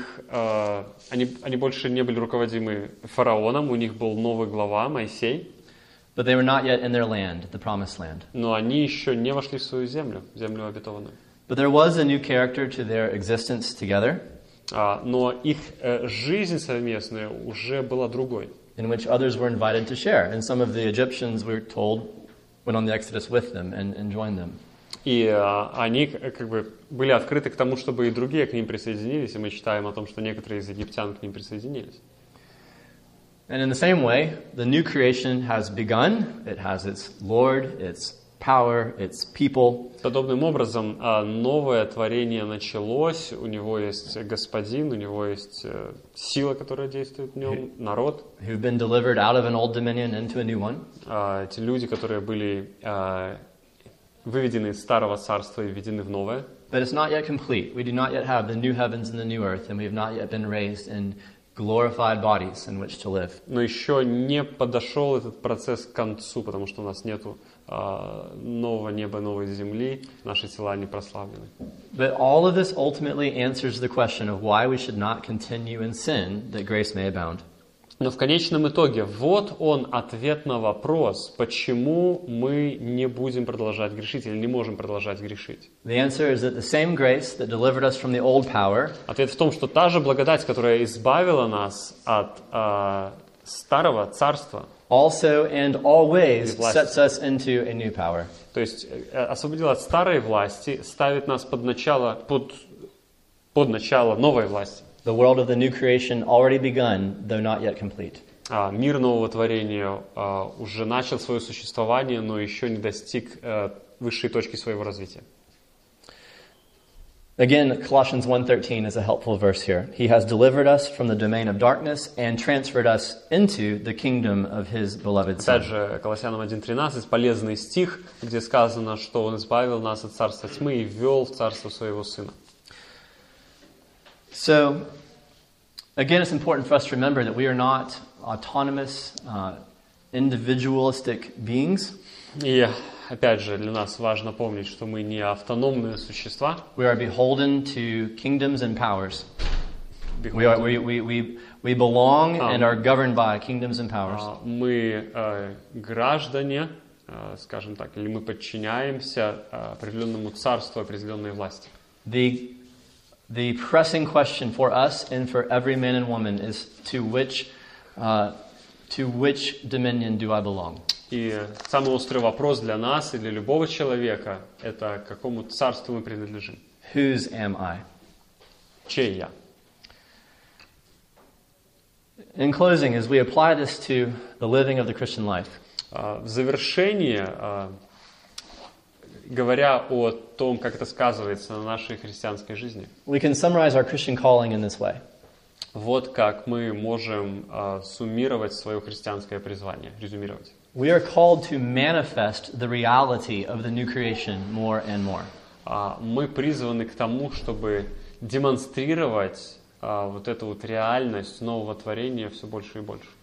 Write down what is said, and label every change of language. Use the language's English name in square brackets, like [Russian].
[Russian] Они больше не были руководимы фараоном, у них был новый глава, Моисей. [English] But they were not yet in their land, the promised land. [Russian] Но они еще не вошли в свою землю, землю обетованную. [English] But there was a new character to their existence together. [Russian] Но их жизнь совместная уже была другой. [English] In which others were invited to share. And some of the Egyptians were told went on the Exodus with them and joined them. [Russian] И они как бы были открыты к тому, чтобы и другие к ним присоединились, и мы читаем о том, что некоторые из египтян к ним присоединились. [English] And in the same way, the new creation has begun. It has its Lord, its power, its people. [Russian] Подобным образом, новое творение началось, у него есть господин, у него есть сила, которая действует в нем, народ. [English] Who've been delivered out of an old dominion into a new one. [Russian] Эти люди, которые были выведены из старого царства и введены в новое. [English] But it's not yet complete. We do not yet have the new heavens and the new earth, and we have not yet been raised in glorified bodies in which to live. [Russian] Но еще не подошел этот процесс к концу, потому что у нас нету нового неба, новой земли, наши тела не прославлены. [English] But all of this ultimately answers the question of why we should not continue in sin, that grace may abound. [Russian] Но в конечном итоге, вот он ответ на вопрос, почему мы не будем продолжать грешить или не можем продолжать грешить. [English] The answer is that the same grace that delivered us from the old power. [Russian] Ответ в том, что та же благодать, которая избавила нас от старого царства. [English] Also and always sets us into a new power. [Russian] То есть освободила от старой власти, ставит нас под начало новой власти. [English] The world of the new creation already begun, though not yet complete. [Russian] Мир нового творения уже начал свое существование, но еще не достиг высшей точки своего развития. [English] Again, Colossians 1:13 is a helpful verse here. He has delivered us from the domain of darkness and transferred us into the kingdom of his beloved Son. [Russian] Также Колоссянам 1:13 полезный стих, где сказано, что он избавил нас от царства тьмы и ввёл в царство своего сына. [English] So, again, it's important for us to remember that we are not autonomous, individualistic beings. [Russian] Опять же, для нас важно помнить, что мы не автономные существа. [English] We are beholden to kingdoms and powers. We belong and are governed by kingdoms and powers. [Russian] Мы граждане, скажем так, или мы подчиняемся определенному царству, определенной власти. [English] The pressing question for us and for every man and woman is to which dominion do I belong? [Russian] И самый острый вопрос для нас и для любого человека — это к какому царству мы принадлежим? [English] Whose am I? [Russian] Чей я? [English] In closing, as we apply this to the living of the Christian life, [Russian] в завершение, говоря о том, как это сказывается на нашей христианской жизни, [English] we can summarize our Christian calling in this way. [Russian] Вот как мы можем суммировать свое христианское призвание, резюмировать. [English] We are called to manifest the reality of the new creation more and more. [Russian] Мы призваны к тому, чтобы демонстрировать вот эту вот реальность нового творения все больше и больше.